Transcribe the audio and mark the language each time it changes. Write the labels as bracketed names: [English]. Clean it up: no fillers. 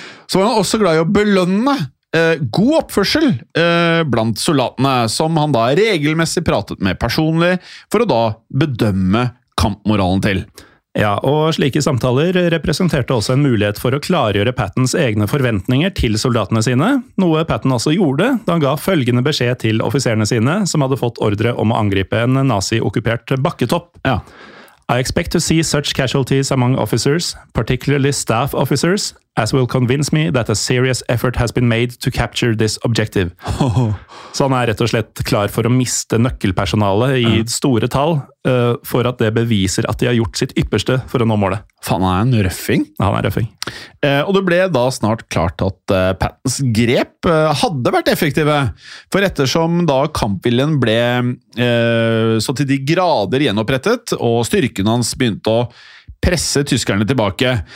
[Norwegian] Så var han også glad i å belønne god oppførsel blant soldatene, som han da regelmessig pratet med personlig, for å da bedømme kampmoralen til. Ja, og slike samtaler representerte også en mulighet for å klargjøre Pattons egne forventninger til soldatene sine, noe Patton også gjorde da han ga følgende beskjed til offiserene sine, som hadde fått ordre om å angripe en nazi-okkupert bakketopp. Ja. [English] I expect to see such casualties among officers, particularly staff officers, as will convince me that a serious effort has been made to capture this objective. [Norwegian] Så han rett og slett klar for å miste nøkkelpersonalet i store tall, for at det beviser at de har gjort sitt ypperste for å nå målet. Fan, han en røffing. Han en røffing. Og det ble da snart klart at Pattons grep hadde vært effektive, for ettersom da kampviljen ble så til de grader gjenopprettet, og styrken hans begynte å presse tyskerne tilbake.